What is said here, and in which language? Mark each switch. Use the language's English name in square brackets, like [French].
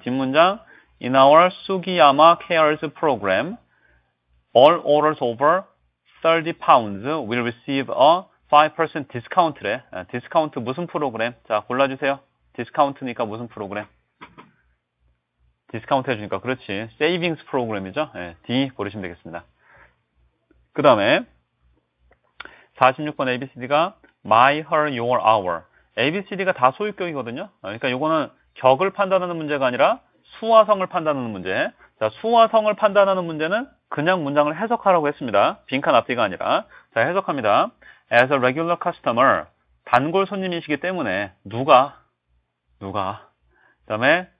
[Korean] 뒷문장, [English] In our Sugiyama Cares Program, All orders over 30 pounds will receive a 5% discount래. [Korean] 디스카운트 무슨 프로그램? 자, 골라주세요. 디스카운트니까 무슨 프로그램? 디스카운트 해주니까. 그렇지. Savings 프로그램이죠. 예, D 고르시면 되겠습니다. 그 다음에 46번 ABCD가 My, her, your, our. ABCD가 다 소유격이거든요. 그러니까 요거는 격을 판단하는 문제가 아니라 수화성을 판단하는 문제. 자, 수화성을 판단하는 문제는 그냥 문장을 해석하라고 했습니다. 빈칸 앞뒤가 아니라. 자, 해석합니다. [English] As a regular customer, [Korean] 단골 손님이시기 때문에, 누가, 그 다음에,